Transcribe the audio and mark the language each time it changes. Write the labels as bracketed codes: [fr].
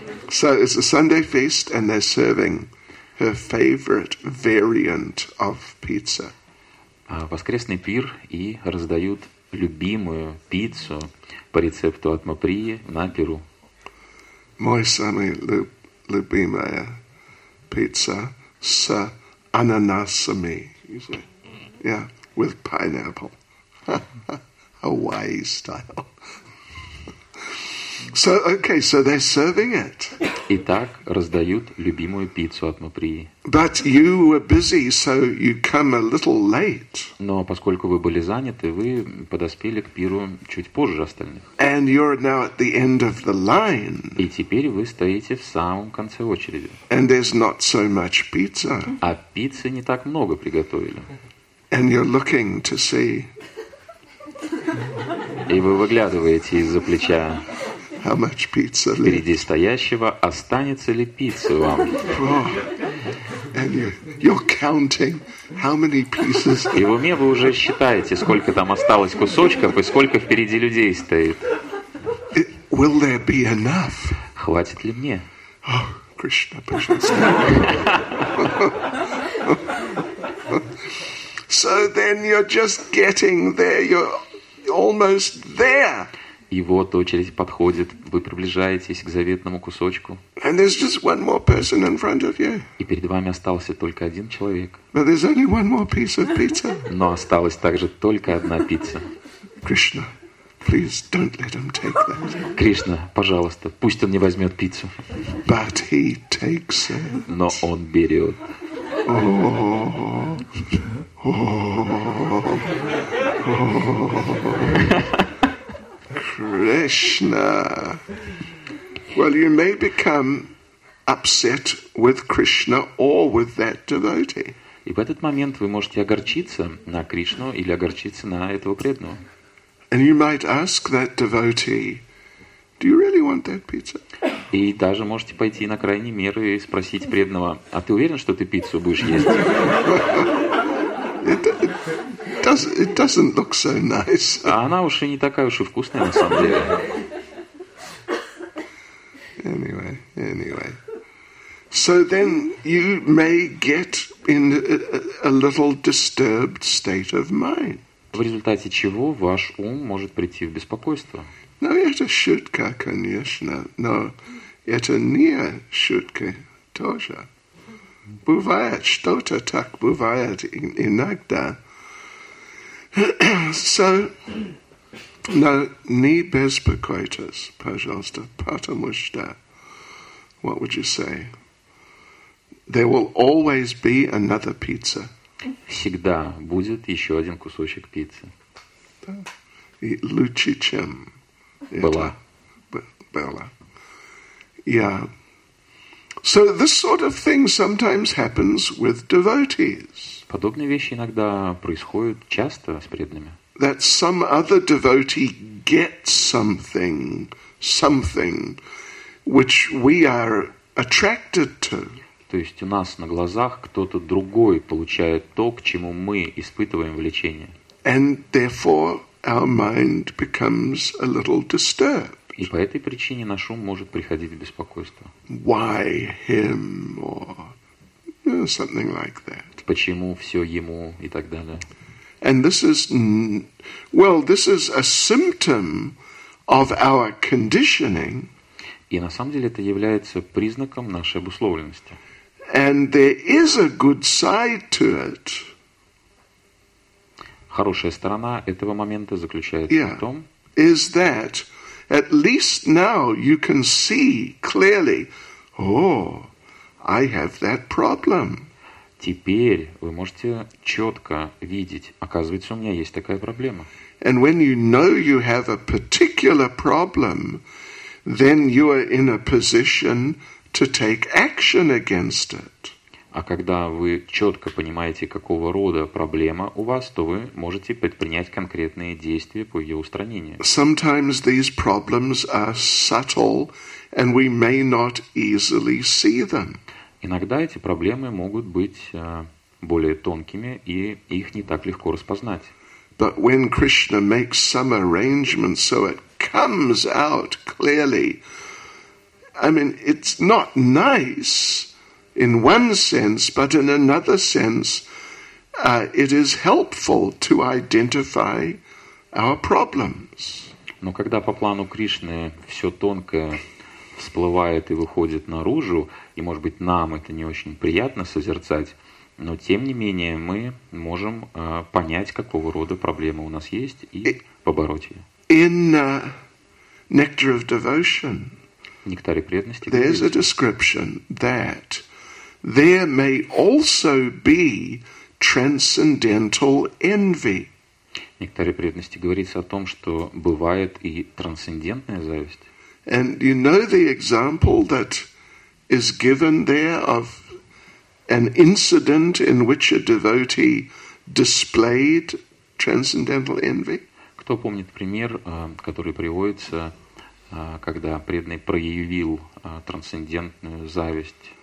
[en] So it's a Sunday feast and they're serving her favorite variant of pizza. [ru] Воскресный пир и раздают любимую пиццу по рецепту от Маприи на пиру. Мой самый любимая пицца с ананасами. [en] Yeah, with pineapple. Hawaii style. So, okay, so they're serving it. [ru] Итак, раздают любимую пиццу от Маприи. [en] But you were busy, so you come a little late. [ru] Но поскольку вы были заняты, вы подоспели к пиру чуть позже остальных. [en] And you're now at the end of the line. [ru] И теперь вы стоите в самом конце очереди. [en] And there's not so much pizza. [ru] А пиццы не так много приготовили. [en] And you're looking to see. [ru] И вы выглядываете из-за плеча. [en] How much pizza left? [ru] Впереди стоящего останется ли пицца вам? [en] Oh. And you're counting how many pieces. [ru] И в уме вы уже считаете, сколько там осталось кусочков и сколько впереди людей стоит. [en] Will there be enough? [ru] Хватит ли мне? [en] Oh, Krishna, [ru] пожалуйста. [en] So then you're just getting there. You're almost there. [ru] И вот очередь подходит, вы приближаетесь к заветному кусочку. [en] And there's just one more person in front of you. [ru] И перед вами остался только один человек. [en] But there's only one more piece of pizza. [ru] Но осталась также только одна пицца. [en] Krishna, please don't let him take that. [ru] Кришна, пожалуйста, пусть он не возьмет пиццу. [en] But he takes it. [ru] Но он берет. [en] Krishna. Well, you may become upset with Krishna or with that devotee. [ru] И в этот момент вы можете огорчиться на Кришну или огорчиться на этого преданного. [en] And you might ask that devotee, do you really want that pizza? [ru] И даже можете пойти на крайние меры и спросить преданного, а ты уверен, что ты пиццу будешь есть? [en] It doesn't look so nice. [ru] А она уж и не такая уж и вкусная на самом деле. [en] Anyway. So then you may get in a little disturbed state of mind. [ru] В результате чего ваш ум может прийти в беспокойство. Но это шутка, конечно, но это не шутка тоже. Бывает что-то так, бывает иногда. [en] So, [ru] Но не беспокойтесь, пожалуйста, потому что, [en] what would you say? There will always be another pizza. [ru] Всегда будет еще один кусочек пиццы. Да. И лучше, чем была. Была. [en] Yeah. So this sort of thing sometimes happens with devotees. [ru] Подобные вещи иногда происходят часто с преданными. [en] That some other devotee gets something, something, which we are attracted to. [ru] То есть у нас на глазах кто-то другой получает то, к чему мы испытываем влечение. [en] And therefore our mind becomes a little disturbed. [ru] И по этой причине на шум может приходить беспокойство. [en] Why him or something like that? [ru] Почему все ему и так далее? [en] And this is, well, this is a symptom of our conditioning. [ru] И на самом деле это является признаком нашей обусловленности. [en] And there is a good side to it. [ru] Хорошая сторона этого момента заключается [en] yeah. [ru] в том, [en] is that at least now you can see clearly, oh, I have that problem. [ru] Теперь вы можете четко видеть, оказывается, у меня есть такая проблема. [en] And when you know you have a particular problem, then you are in a position to take action against it. [ru] А когда вы четко понимаете, какого рода проблема у вас, то вы можете предпринять конкретные действия по ее устранению. [en] Sometimes these problems are subtle, and we may not easily see them. [ru] Иногда эти проблемы могут быть более тонкими, и их не так легко распознать. [en] But when Krishna makes some arrangements so it comes out clearly, I mean, it's not nice. In one sense, but in another sense, it is helpful to identify our problems. [ru] Но когда по плану Кришны все тонкое всплывает и выходит наружу, и, может быть, нам это не очень приятно созерцать, но тем не менее мы можем понять, какого рода проблемы у нас есть и побороть ее. [en] In Nectar of Devotion, [ru] в Нектаре преданности, [en] there's a description that there may also be transcendental envy. [ru] В Нектаре преданности говорится о том, что бывает и трансцендентная зависть. [en] And you know the example that is given there of an incident in which a devotee displayed transcendental envy? [ru] Кто помнит пример, который приводится, когда преданный проявил трансцендентную зависть?